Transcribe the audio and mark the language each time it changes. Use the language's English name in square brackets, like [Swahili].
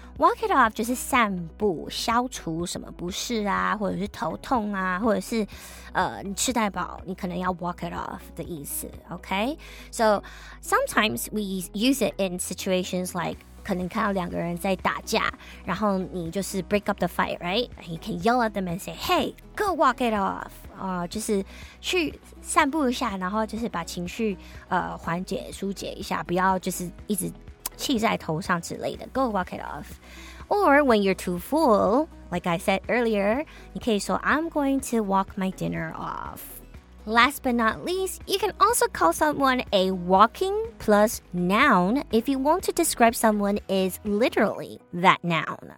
[Chinese] Walk it off 就是散步，消除什么不适啊，或者是头痛啊，或者是你吃太饱，你可能要 [English] walk it off [Chinese] 的意思。 [English] Okay, so sometimes we use it in situations like [Chinese] 可能看到两个人在打架，然后你就是 [English] break up the fight, right? And you can yell at them and say, "Hey, go walk it off." [Chinese] 就是去散步一下，然后就是把情绪缓解疏解一下，不要就是一直气在头上之类的。 [English] Go walk it off. Or when you're too full, like I said earlier, [Chinese] 你可以说 [English] I'm going to walk my dinner off. Last but not least, you can also call someone a walking plus noun if you want to describe someone is literally that noun.